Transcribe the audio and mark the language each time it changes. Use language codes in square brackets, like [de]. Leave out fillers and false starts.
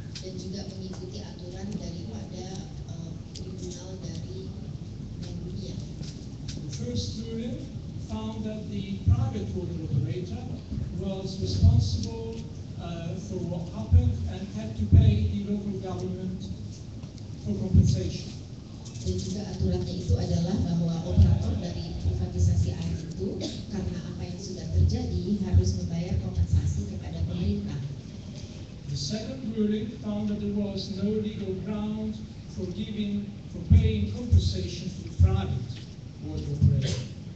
[id] Dan juga mengikuti aturan dari wadah tribunal dari Bank Dunia. [en] First ruling found that the private water operator was responsible for what happened and had to pay the local government for compensation. [id] Dan juga aturannya itu adalah bahwa operator dari privatisasi air itu karena apa yang sudah terjadi harus membayar kompensasi kepada pemerintah. [en] The second ruling found that there was no legal ground for giving, for paying compensation to private water operator.